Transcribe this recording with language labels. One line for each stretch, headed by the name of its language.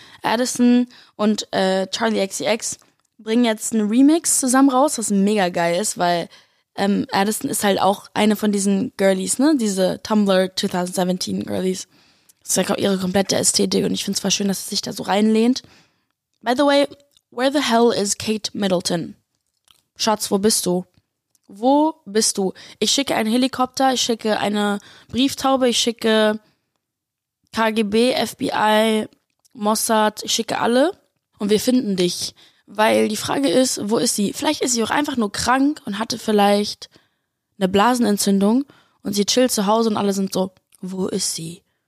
German: Addison und Charlie XCX bringen jetzt einen Remix zusammen raus, was mega geil ist, weil Addison ist halt auch eine von diesen Girlies, ne? Diese Tumblr 2017 Girlies. Das ist ja halt ihre komplette Ästhetik und ich finde es zwar schön, dass sie sich da so reinlehnt.
English: By the way, where the hell is Kate Middleton?
German: Schatz, wo bist du? Wo bist du? Ich schicke einen Helikopter, ich schicke eine Brieftaube, ich schicke KGB, FBI, Mossad, ich schicke alle und wir finden dich. Weil die Frage ist, wo ist sie? Vielleicht ist sie auch einfach nur krank und hatte vielleicht eine Blasenentzündung und sie chillt zu Hause und alle sind so, wo ist sie?